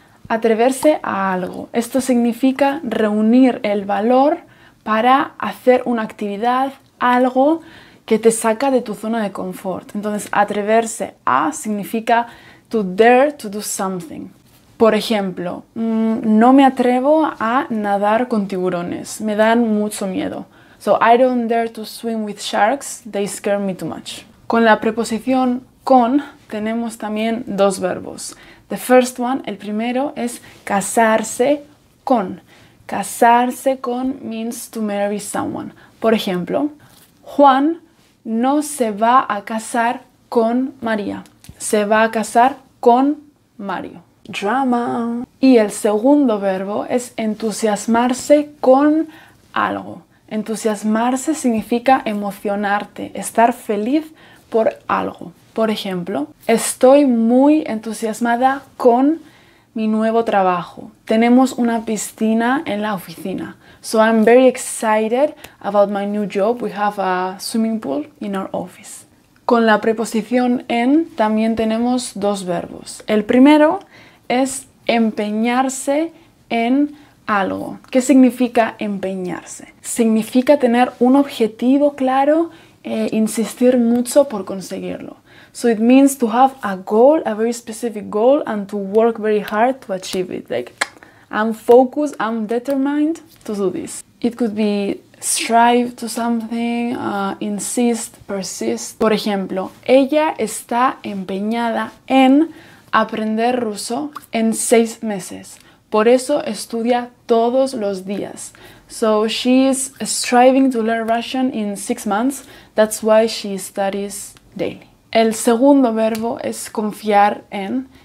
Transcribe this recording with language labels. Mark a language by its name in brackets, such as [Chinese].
[Spanish] Atreverse a algo. Esto significa reunir el valor para hacer una actividad, algo que te saca de tu zona de confort. Entonces, atreverse a significa [English] to dare to do something. [Spanish] Por ejemplo, no me atrevo a nadar con tiburones. Me dan mucho miedo. [English] So, I don't dare to swim with sharks. They scare me too much. [Spanish] Con la preposición con, tenemos también dos verbos. [English] The first one, [Spanish] el primero, es casarse con. Casarse con [English] means to marry someone. [Spanish] Por ejemplo, Juan no se va a casar con María. Se va a casar con Mario. Drama. Y el segundo verbo es entusiasmarse con algo. Entusiasmarse significa emocionarte, estar feliz por algo. Por ejemplo, estoy muy entusiasmada con mi nuevo trabajo. Tenemos una piscina en la oficina. [English] So I'm very excited about my new job. We have a swimming pool in our office. [Spanish] Con la preposición en también tenemos dos verbos. El primero es empeñarse en algo. ¿Qué significa empeñarse? Significa tener un objetivo claro e insistir mucho por conseguirlo. [English] So it means to have a goal, a very specific goal, and to work very hard to achieve it. Like, I'm focused, I'm determined to do this. It could be strive to something, insist, persist. [Spanish] Por ejemplo, ella está empeñada en aprender ruso en 6 meses. Por eso estudia todos los días. [English] So she is striving to learn Russian in 6 months. That's why she studies daily. [Spanish] El segundo verbo es confiar en.